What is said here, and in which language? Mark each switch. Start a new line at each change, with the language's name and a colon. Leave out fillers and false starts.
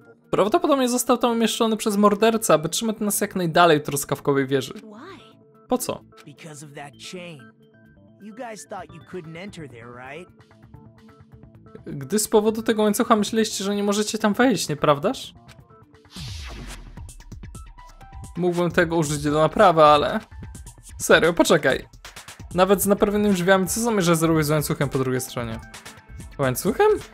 Polish: Prawdopodobnie został tam umieszczony przez mordercę, aby trzymać nas jak najdalej od truskawkowej wieży. Po co?
English: Because of that chain. You guys thought you couldn't enter there, right?
Polish: Gdy z powodu tego łańcucha myśleliście, że nie możecie tam wejść, nieprawdaż? Mógłbym tego użyć do naprawy, ale... Serio, poczekaj. Nawet z naprawionymi drzwiami, co zamierzasz zrobić z łańcuchem po drugiej stronie? Łańcuchem?